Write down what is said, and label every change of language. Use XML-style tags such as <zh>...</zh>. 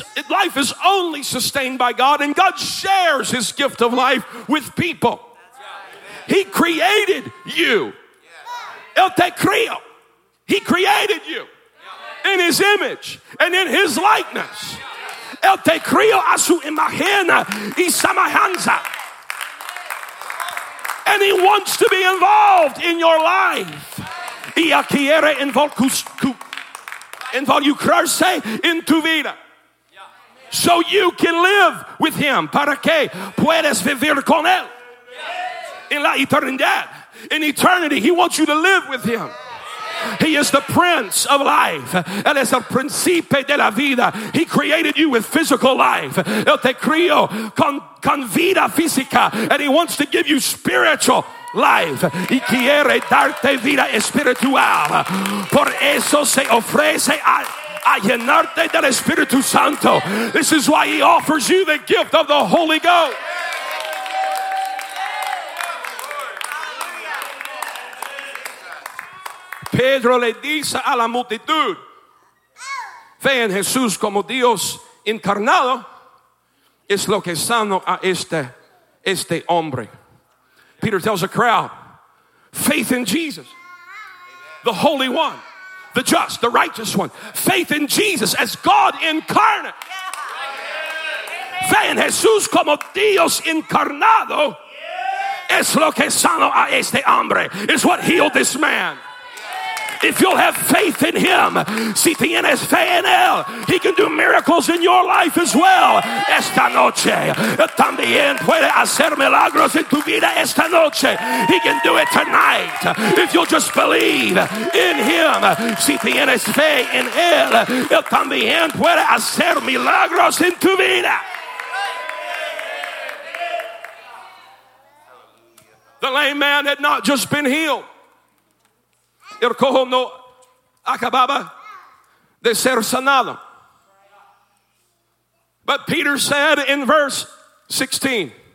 <en>Life is only sustained by God. And God shares his gift of life with people. He created you.</en> <es>Él te creó.</es> <en>He created you in his image and in his likeness.</en> <es>Él te creó a su imagen y semejanza.</es> <en>And he wants to be involved in your life.</en> <es>Y quiere involucrarse en tu vida.</es> <en>So you can live with him.</en> <es>Para que puedes vivir con él. En la eternidad.</es> <en>In eternity. He wants you to live with him. He is the Prince of Life.</en> <es>Él es el Príncipe de la Vida.</es> <en>He created you with physical life.</en> <es>Él te creó con vida física.</es> <en>And he wants to give you spiritual life.</en> <es>Y quiere darte vida espiritual. Por eso se ofrece a llenarte del Espíritu Santo.</es> <en>This is why he offers you the gift of the Holy Ghost.</en> <es>Pedro le dice a la multitud, fe en Jesús como Dios encarnado es lo que sano a este hombre.</es> <en>Peter tells the crowd, faith in Jesus, the Holy One, the just, the righteous one. Faith in Jesus as God incarnate.</en> <es>Fe en Jesús como Dios encarnado es lo que sano a este hombre.</es> <en>Is what healed this man. If you'll have faith in him,</en> <es>si tienes fe en él,</es> <en>he can do miracles in your life as well.</en> <es>Esta noche, también puede hacer milagros en tu vida esta noche.</es> <en>He can do it tonight. If you'll just believe in him,</en> <es>si tienes fe en él,</es> <en>él también puede hacer milagros en tu vida. The lame man had not just been healed.</en> <es>El cojo no acababa de ser sanado.</es> <en>But Peter said in verse 16.</en>